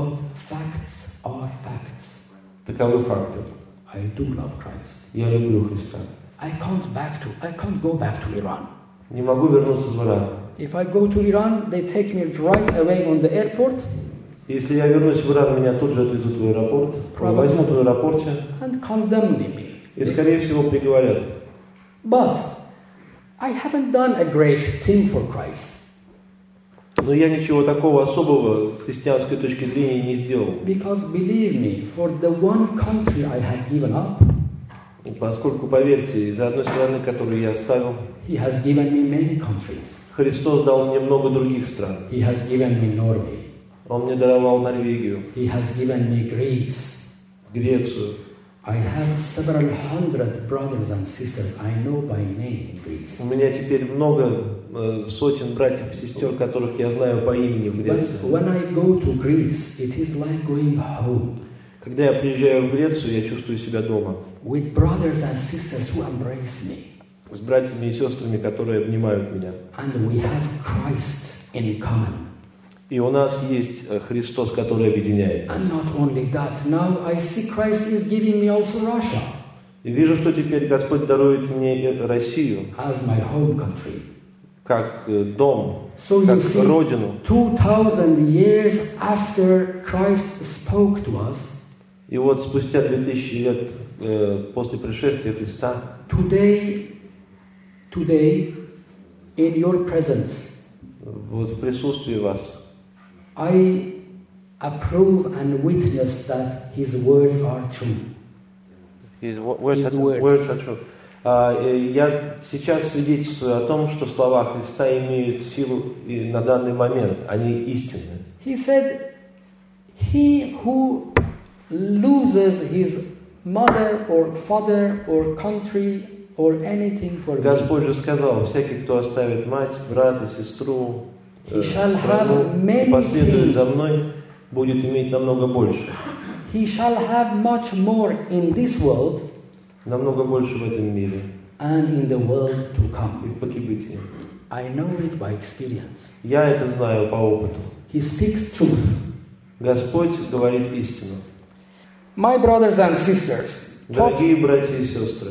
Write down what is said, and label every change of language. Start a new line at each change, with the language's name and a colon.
English: But facts are facts.
Russian: Таковы факты.
English: I do love Christ.
Russian: Я люблю Христа.
English: I can't go back to Iran.
Russian: Не могу вернуться в Иран.
English: If I go to Iran, they take me right away on the airport.
Russian: Если я вернусь в Иран, меня тут же отвезут в аэропорт.
English: Probably.
Russian: Возьмут в аэропорте.
English: And condemn me.
Russian: И, скорее всего, приговорят.
English: But I haven't done a great thing for Christ.
Russian: Но я ничего такого особого с христианской точки зрения не сделал.
English: Because believe me, for the one country I have given up.
Russian: Поскольку, поверьте, из-за одной страны, которую я оставил,
English: He has given me many countries.
Russian: Христос дал мне много других стран.
English: He has given me Norway.
Russian: Он мне даровал Норвегию.
English: He has given me Greece.
Russian: Грецию.
English: I have several hundred brothers and sisters I know by name in Greece.
Russian: У меня теперь много сотен братьев и сестер, которых я знаю по имени в Греции.
English: When I go to Greece, it is like going home.
Russian: Когда я приезжаю в Грецию, я чувствую себя дома.
English: With brothers and sisters who embrace me.
Russian: С братьями и сестрами, которые обнимают меня.
English: And we have Christ in common.
Russian: И у нас есть Христос, который объединяет.
English: And not only that, now I see Christ is giving me also Russia.
Russian: И вижу, что теперь Господь дарует мне Россию.
English: As my home country.
Russian: Как дом,
English: so
Russian: как
English: you see,
Russian: родину.
English: 2000 years after Christ spoke to us.
Russian: И вот спустя 2000 лет после пришествия Христа.
English: Today, in your presence.
Russian: Вот в присутствии вас.
English: I approve and witness that His words are true. His words are true.
Russian: Я сейчас свидетельствую о том, что слова Христа имеют силу на данный момент. Они истинны.
English: He said, "He who loses his mother or father or country or anything for me."
Russian: Господь же сказал, всякий, кто оставит мать, брата, сестру.
English: He shall have many things.
Russian: Последует за мной, будет иметь намного больше.
English: He shall have much more in this world.
Russian: Намного больше в этом мире.
English: And in the world to come.
Russian: И в погибении.
English: I know it by experience.
Russian: Я это знаю по опыту.
English: He speaks truth.
Russian: Господь говорит истину.
English: My brothers and sisters.
Russian: Дорогие братья и сестры.